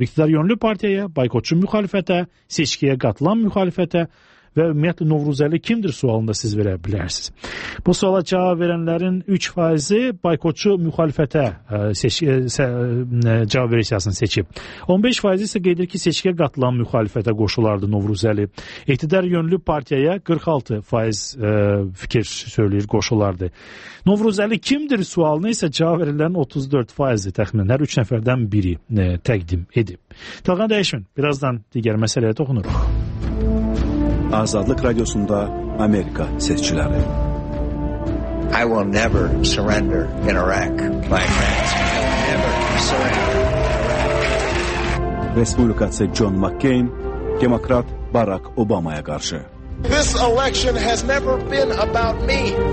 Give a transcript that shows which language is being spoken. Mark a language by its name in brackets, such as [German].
[Azerbaijani] İktidar yönlü partiyaya, baykotçu müxalifətə, seçkiyə qatılan müxalifətə və ümumiyyətlə Novruzəli kimdir sualında siz verə bilərsiniz. Bu suala cavab verənlərin 3% baykotçu müxalifətə cavab versiyasını seçib. 15% isə qeyd edir ki, seçkiyə qatılan müxalifətə qoşulardı Novruzəli. İqtidar yönlü partiyaya 46% fikir söyləyir qoşulardı. Novruzəli kimdir sualını isə cavab verənlərin 34% təxminən hər 3 nəfərdən biri təqdim edib. Talqan Dəyişmin, birazdan digər məsələyə toxunuruq. Azadlık Radyosu'nda Amerika Seçkiləri. [English] I will never surrender in Iraq, my friends. I will never surrender. [Azerbaijani] Respublikaçı John McCain, Demokrat Barack Obama'ya qarşı. [English] This election has never been about me.